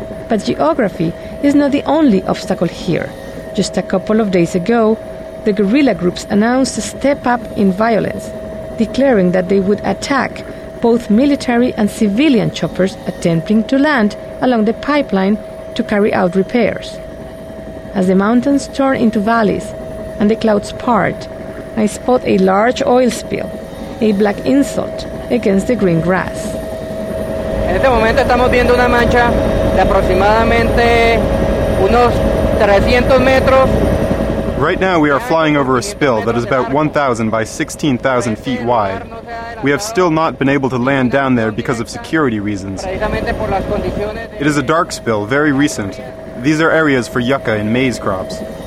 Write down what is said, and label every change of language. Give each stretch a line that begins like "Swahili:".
English: But geography is not the only obstacle here. Just a couple of days ago, the guerrilla groups announced a step up in violence, declaring that they would attack both military and civilian choppers attempting to land along the pipeline to carry out repairs. As the mountains turn into valleys and the clouds part, I spot a large oil spill, a black insult against the green grass.
Spanish: En este momento estamos viendo una mancha de aproximadamente unos 300 metros.
English: Right now we are flying over a spill that is about 1,000 by 16,000 feet wide. We have still not been able to land down there because of security reasons. It is a dark spill, very recent. These are areas for yucca and maize crops.